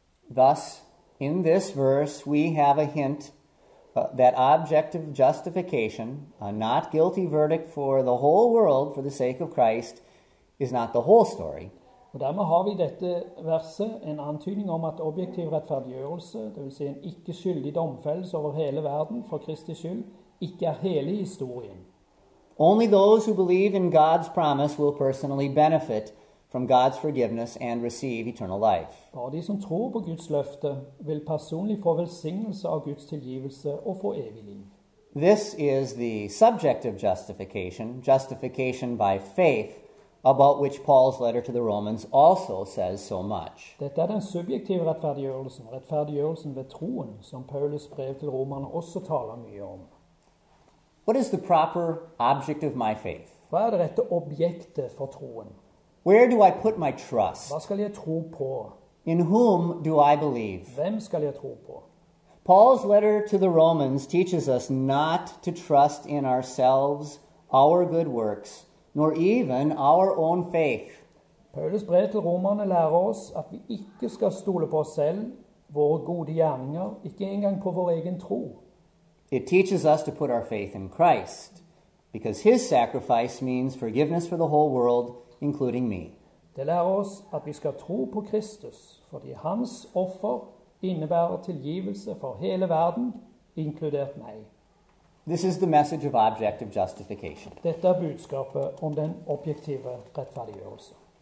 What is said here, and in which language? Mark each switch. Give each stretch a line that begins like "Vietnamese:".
English: Thus, in this verse, we have a hint that objective justification, a not guilty verdict for the whole world for the sake of Christ, is not the whole story.
Norwegian: Og dermed har vi dette verset en antydning om at objektiv rettferdiggjørelse, det vil si en ikke skyldig domfellelse over hele verden for Kristi skyld, ikke er hele historien.
English: Only those who believe in God's promise will personally benefit from God's forgiveness and receive eternal life.
Norwegian: Bare de som tror på Guds løfte vil personlig få velsignelse av Guds tilgivelse og få evig liv.
English: This is the subject of justification, justification by faith, about which Paul's letter to the Romans also says so much.
Norwegian: Dette den subjektive rettferdiggjørelsen, rettferdiggjørelsen ved troen, som Paulus brev til romerne også taler mye om.
English: What is the proper object of my faith?
Norwegian: Hva det rette objektet for troen?
English: Where do I put my trust?
Norwegian: Hva skal jeg tro på?
English: In whom do I believe?
Norwegian: Hvem skal jeg tro på?
English: Paul's letter to the Romans teaches us not to trust in ourselves, our good works, nor even our own faith.
Norwegian: Paulus brev til romerne lærer oss at vi ikke skal stole på oss selv, våre gode gjerninger, ikke engang på vår egen tro.
English: It teaches us to put our faith in Christ, because his sacrifice means forgiveness for the whole world, including me.
Norwegian: Det lærer oss at vi skal tro på Kristus, fordi hans offer innebærer tilgivelse for hele verden, inkludert meg.
English: This is the message of objective justification.
Norwegian: Dette budskapet om den objektive rettferdiggjørelse.